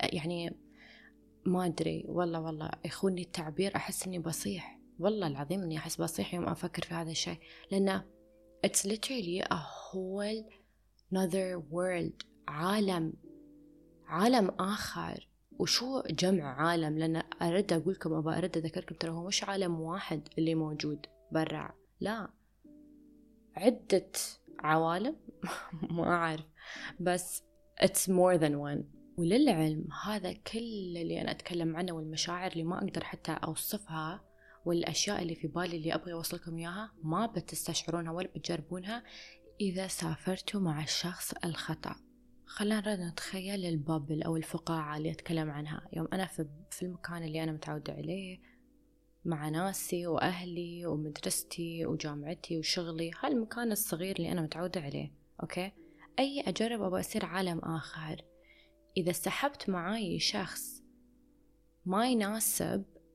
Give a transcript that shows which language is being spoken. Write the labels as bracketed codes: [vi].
[ar] يعني ما أدري، والله يخوني التعبير، أحس أني بصيح، والله العظيم أني أحس بصيح يوم أفكر في هذا الشيء، لأنه [en] It's literally a whole another world، [ar] عالم آخر. وشو جمع عالم؟ لأن أرد أقولكم أبا أرد أذكركم، ترى هو مش عالم واحد اللي موجود برا، لا، عدة عوالم. ما أعرف، بس [en] it's more than one. [ar] وللعلم هذا كل اللي أنا أتكلم عنه والمشاعر اللي ما أقدر حتى أوصفها والأشياء اللي في بالي اللي أبغى أوصلكم إياها، ما بتستشعرونها ولا بتجربونها إذا سافرتوا مع الشخص الخطأ. خلنا نرد نتخيل البابل أو الفقاعة اللي أتكلم عنها، يوم أنا في المكان اللي أنا متعودة عليه مع ناسي وأهلي ومدرستي وجامعتي وشغلي، هالمكان الصغير اللي أنا متعودة عليه، أوكي؟ أي أجرب أبغى أصير عالم آخر، إذا سحبت معاي شخص ما يناسب